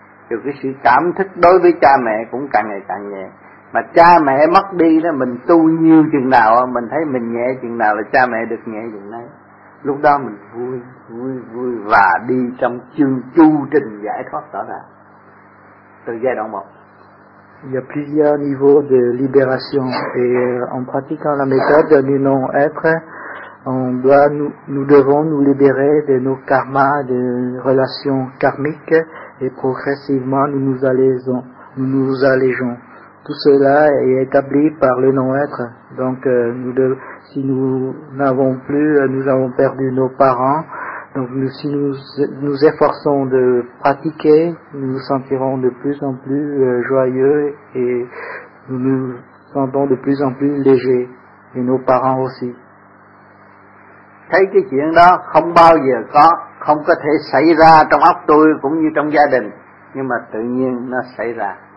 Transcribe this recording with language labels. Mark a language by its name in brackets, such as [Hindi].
[Vietnamese] Rồi cái sự cảm thức đối với cha mẹ cũng càng ngày càng nhẹ. Mà cha mẹ mất đi đó, mình tu nhiều chừng nào mình thấy mình nhẹ chừng nào là cha mẹ được nhẹ chừng đấy. Lúc đó mình vui và đi trong chương chu trình giải thoát đó nè. Từ giai đoạn 1. [French] Il y a plusieurs niveaux de libération et en pratiquant la méthode de non être, on doit nous devons nous libérer de nos karmas, de relations karmiques et progressivement nous nous allégeons. Tout cela est établi par le non être. Donc nous avons perdu nos parents. Donc si nous nous efforçons de pratiquer, nous nous sentirons de plus en plus joyeux et nous nous sentons de plus en plus légers, et nos parents aussi. [Vietnamese] Thấy cái chuyện đó không bao giờ có, không có thể xảy ra trong óc tôi cũng như trong gia đình, nhưng mà tự nhiên nó xảy ra.